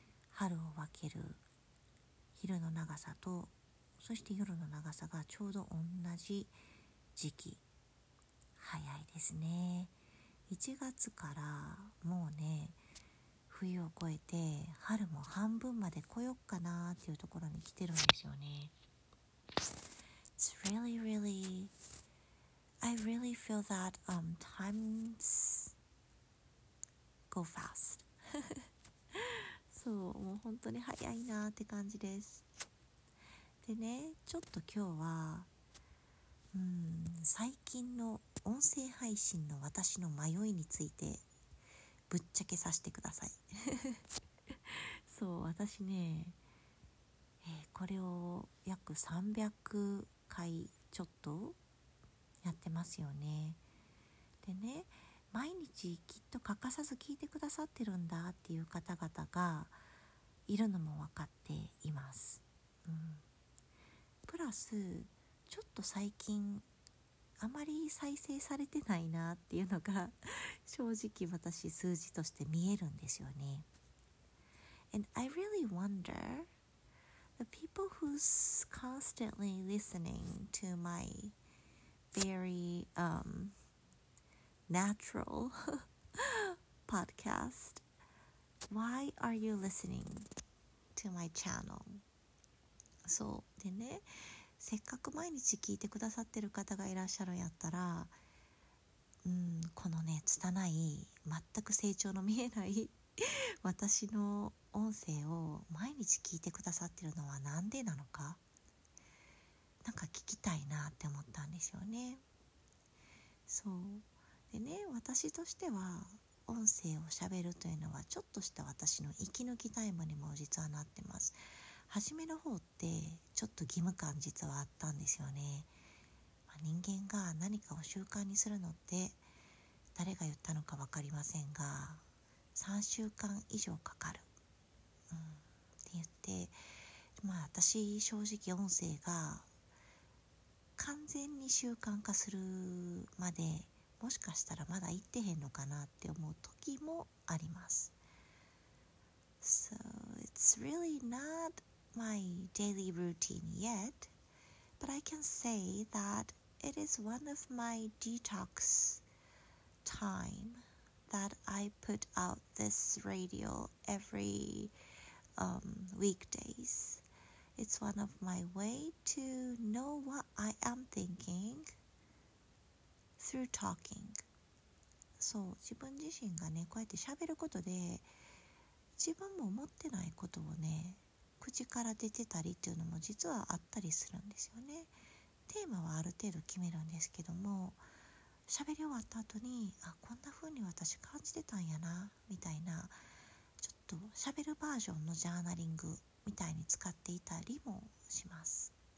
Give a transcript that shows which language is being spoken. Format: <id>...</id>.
<ja>春を分ける昼の長さと、そして夜の長さがちょうど同じ時期。早いですね。1月からもうね、冬を越えて春も半分まで来よっかなっていうところに来てるんですよね。</ja> <en>It's really, reallyI really feel that times go fast.</en> <ja>そう、もう本当に早いなって感じです。でね、ちょっと今日は、最近の音声配信の私の迷いについてぶっちゃけさせてください。そう、私ね、これを約300回ちょっとやってますよね。でね、毎日きっと欠かさず聞いてくださってるんだっていう方々がいるのも分かっています。プラスちょっと最近あまり再生されてないなっていうのが正直私数字として見えるんですよね。</ja> <en>And I really wonder the people who's constantly listening to myvery natural podcast. Why are you listening to my channel?</en> <ja>そうでね、せっかく毎日聞いてくださってる方がいらっしゃるんやったら、このね、拙い、全く成長の見えない私の音声を毎日聞いてくださってるのはなんでなのか、なんか聞きたいなって思ったんですよね。そうでね、私としては音声を喋るというのはちょっとした私の息抜きタイムにも実はなってます。初めの方ってちょっと義務感実はあったんですよね。人間が何かを習慣にするのって、誰が言ったのか分かりませんが、3週間以上かかる、って言って、私正直音声が完全に習慣化するまでもしかしたらまだ行ってへんのかなって思う時もあります。</ja> <en>So it's really not my daily routine yet, but I can say that it is one of my detox time that I put out this radio every weekdays. It's one of my way to know what I am thinking through talking.</en> <ja>そう、自分自身がね、こうやって喋ることで自分も思ってないことをね、口から出てたりっていうのも実はあったりするんですよね。テーマはある程度決めるんですけども、喋り終わった後に、あ、こんな風に私感じてたんやなみたいな、ちょっと喋るバージョンのジャーナリングみたいに使っていたりもします。</ja>